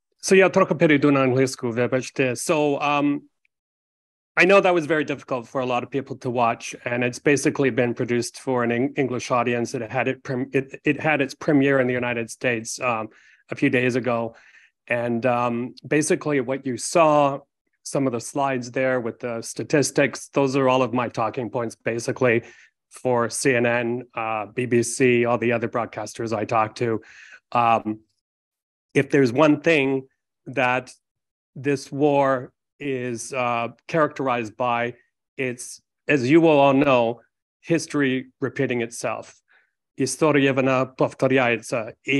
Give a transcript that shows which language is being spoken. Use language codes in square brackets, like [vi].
[uk] Я трохи перейду на англійську, вибачте. [en] I know that was very difficult for a lot of people to watch, and it's basically been produced for an English audience. It had its premiere in the United States a few days ago. And basically what you saw, some of the slides there with the statistics, those are all of my talking points, basically, for CNN, BBC, all the other broadcasters I talk to. If there's one thing that this war is characterized by, it's, as you will all know, history repeating itself. [ru] История вона повторяется.